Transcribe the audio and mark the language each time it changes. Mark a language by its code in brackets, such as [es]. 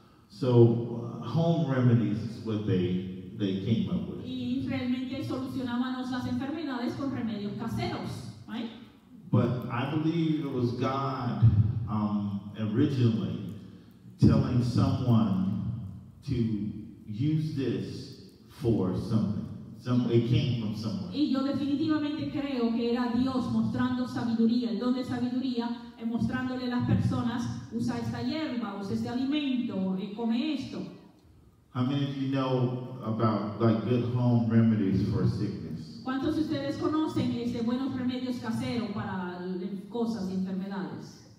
[en] So, home remedies is what they came up with. [es] Y realmente solucionaban las enfermedades con remedios caseros, right? [en] But I believe it was God originally telling someone to use this for something. It came from somewhere. [es] Y yo definitivamente creo que era Dios mostrando sabiduría, el don de sabiduría, mostrándole a las personas, usa esta hierba, usa este alimento, come esto. [en] How many of you know about like good home remedies for sickness? [es] ¿Cuántos de ustedes conocen este buenos remedios caseros para cosas y enfermedades?